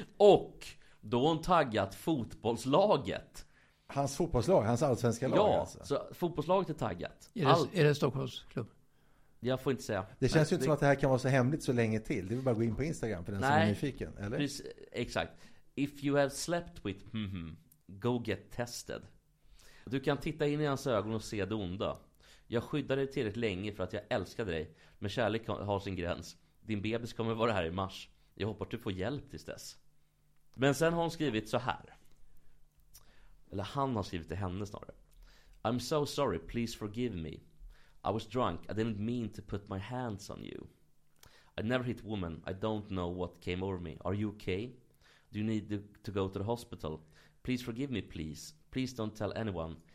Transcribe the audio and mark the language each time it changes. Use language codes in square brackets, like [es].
[sv] Och då har hon taggat fotbollslaget. Hans fotbollslag, hans allsvenska lag. Ja, alltså. Så fotbollslaget är taggat. Är det Stockholmsklubb? Jag får inte säga. Det känns ju inte som att det här kan vara så hemligt så länge till. Det vill bara gå in på Instagram för den som är nyfiken, eller? Precis, exakt. [en] If you have slept with, go get tested. [sv] Du kan titta in i hans ögon och se det onda. Jag skyddar dig tillräckligt länge för att jag älskar dig. Men kärlek har sin gräns. Din bebis kommer vara här i mars. Jag hoppas du får hjälp tills dess. Men sen har hon skrivit så här. Eller han har skrivit till henne snarare. [en] I'm so sorry, please forgive me. I was drunk. I didn't mean to put my hands on you. I never hit woman. I don't know what came over me. Are you okay? Do you need to go to the hospital? Please forgive me, please. Please don't tell anyone.